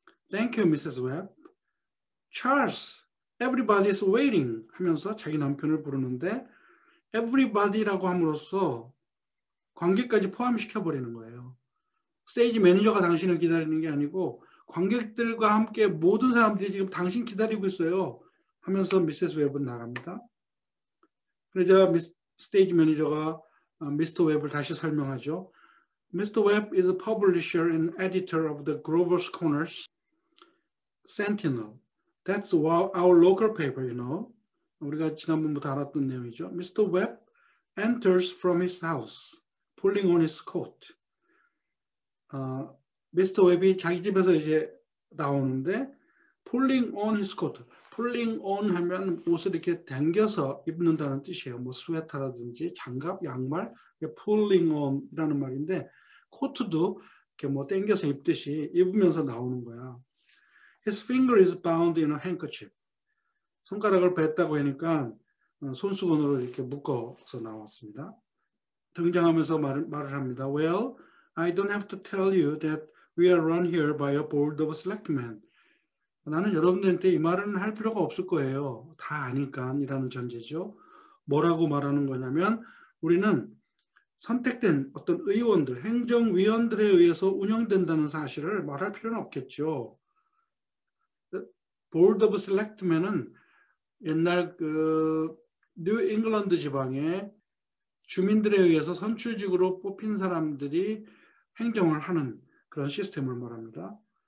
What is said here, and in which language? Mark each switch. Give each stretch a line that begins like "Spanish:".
English: Thank you, Mrs. Webb. Charles, everybody is waiting
Korean: 하면서 자기 남편을 부르는데 everybody라고 함으로써 관객까지 포함시켜버리는 거예요. 스테이지 매니저가 당신을 기다리는 게 아니고 관객들과 함께 모든 사람들이 지금 당신 기다리고 있어요 하면서 미세스 웹은 나갑니다. 그러자 스테이지 매니저가 미스터 웹을 다시 설명하죠.
English: Mr. Webb is a publisher and editor of the Grover's Corners Sentinel. That's our local paper, you know.
Korean: 우리가 지난번부터 알았던 내용이죠.
English: Mr. Webb enters from his house, pulling on his coat.
Korean: Mr. Webb이 자기 집에서 이제 나오는데,
English: pulling on his coat.
Korean: Pulling on 하면 옷을 이렇게 당겨서 입는다는 뜻이에요. 뭐 스웨터라든지 장갑, 양말, pulling on이라는 말인데, 코트도 이렇게 뭐 당겨서 입듯이 입으면서 나오는 거야.
English: His finger is bound in a handkerchief.
Korean: 손가락을 뱉다고 하니까 손수건으로 이렇게 묶어서 나왔습니다. 등장하면서 말을 합니다.
English: Well, I don't have to tell you that we are run here by a board of selectmen.
Korean: 나는 여러분들한테 이 말은 할 필요가 없을 거예요. 다 아니까 이라는 전제죠. 뭐라고 말하는 거냐면 우리는 선택된 어떤 의원들, 행정위원들에 의해서 운영된다는 사실을 말할 필요는 없겠죠. Board of Selectmen은 옛날 그 뉴 잉글랜드 지방에 주민들에 의해서 선출직으로 뽑힌 사람들이 행정을 하는 그런 시스템을 말합니다.